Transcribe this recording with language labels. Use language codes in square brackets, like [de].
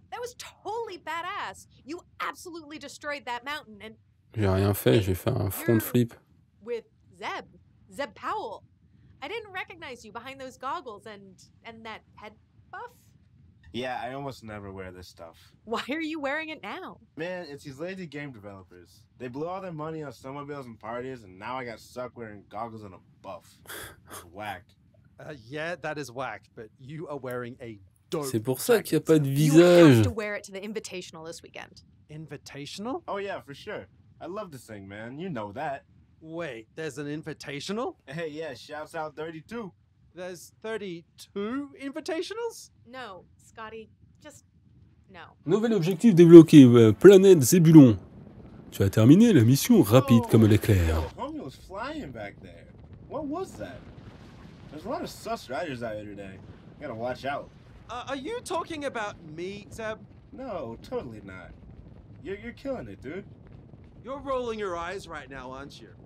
[en] That was totally badass! You absolutely destroyed that mountain and... [fr] J'ai rien fait, j'ai fait un front flip. [en] With Zeb, Zeb Powell. I didn't recognize you behind those goggles and that head buff. Yeah, I almost never wear this stuff. Why are you wearing it now? Man, it's these lazy game developers. They blew all their money on snowmobiles and parties, and now I got stuck wearing goggles and a buff. It's whack. Yeah, that is whack, but you are wearing a dope. [fr] C'est pour ça qu'il y a pas de visage. [en] You have to wear it to the Invitational this weekend. Invitational? Oh yeah, for sure. I love this thing, man. You know that. Wait, there's an invitational? Hey, yeah, shouts out 32. There's 32 invitationals? No, Scotty, just no. [fr] Nouvel objectif débloqué, planète Zébulon. Tu as terminé la mission rapide comme l'éclair. [en] Oh, homie was flying back there. What was that? There's a lot of sus riders out here today. You gotta watch out. Are you talking about me, Zeb? No, totally not. You're killing it, dude. You're rolling your eyes right now, aren't you?